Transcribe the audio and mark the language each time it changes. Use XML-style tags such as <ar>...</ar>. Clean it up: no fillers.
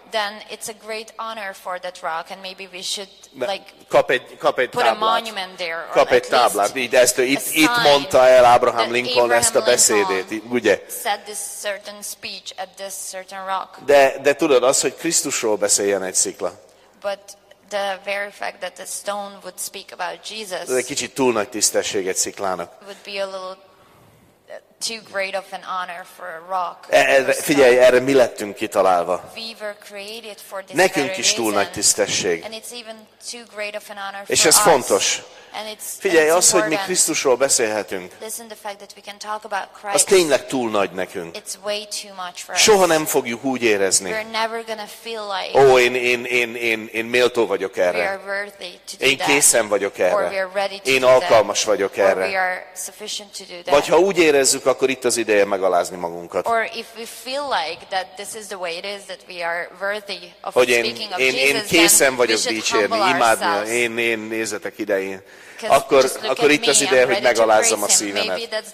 <en>then it's a great honor for that rock, and maybe we should like</en> <hu>kap egy</hu> <en>put a monument there.</en> <hu>Kap egy táblát. Itt mondta el Abraham Lincoln ezt a beszédét, ugye?</hu> <en>Said this certain speech at this certain rock.</en> <hu>De tudod, az, hogy Krisztusról beszéljen egy szikla.</hu> <en>But the very fact that the stone would speak about Jesus.</en> <hu>Ez egy kicsit túl nagy tisztesség egy sziklának.</hu> <en>Would be a little too great of an honor for a rock.</en> <hu>Figyelj, erre mi lettünk kitalálva.</hu> <en>We were created for this.</en> <hu>Nekünk is túl nagy tisztesség.</hu> <en>And it's even too great of an honor for us.</en> <hu>És ez fontos.</hu> <en>And it's,</en> <hu>figyelj,</hu> <en>and</en> <hu>az, hogy mi Krisztusról beszélhetünk,</hu> <en>listen, the fact that we can talk about Christ,</en> <hu>az tényleg túl nagy nekünk.</hu> <en>It's way too much for us.</en> <hu>Soha nem fogjuk úgy érezni.</hu> <en>We're never gonna feel like,</en> <hu>oh, én méltó vagyok erre.</hu> <en>We are worthy to do</en> <hu>én készen</hu> <en>that,</en> <hu>vagyok erre.</hu> <en>Or we are ready to</en> <hu>én</hu> <en>do</en> <hu>alkalmas</hu> <en>that,</en> <hu>vagyok erre.</hu> <en>Or we are sufficient to do that.</en> <hu>Vagy ha úgy érezzük, akkor itt az ideje megalázni magunkat.</hu> <en>Or if we feel like that this is the way it is that we are worthy of speaking of Jesus, then we should humble ourselves.</en> <hu>Vagyok dicsérni, imádni, én nézzetek ide, akkor itt az ideje, hogy megalázzam a szívemet.</hu>